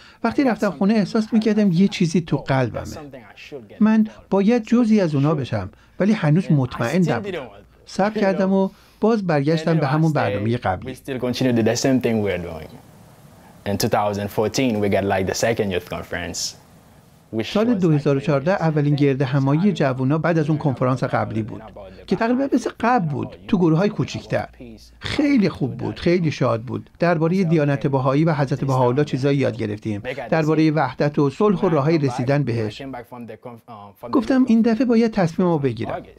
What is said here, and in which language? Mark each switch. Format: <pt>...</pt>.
<fa>وقتی رفتم خونه احساس می‌کردم یه چیزی تو قلبمه. من باید جزی از اونا بشم، ولی هنوز مطمئن نبودم. سب کردم و باز برگشتم به همون برنامه قبلی.</fa> <en>We still continue the same thing we're doing. In 2014 we got like the second youth conference.</en> <fa>سال 2014 اولین گرد همایی جوانا بعد از اون کنفرانس قبلی بود که تقریبا مثل قبل بود تو گروه های کوچیکتر. خیلی خوب بود، خیلی شاد بود. درباره دیانت بهایی و حضرت بهاءالله چیزایی یاد گرفتیم. درباره وحدت و صلح و راه های رسیدن بهش. گفتم این دفعه باید تصمیمو بگیرم.</fa>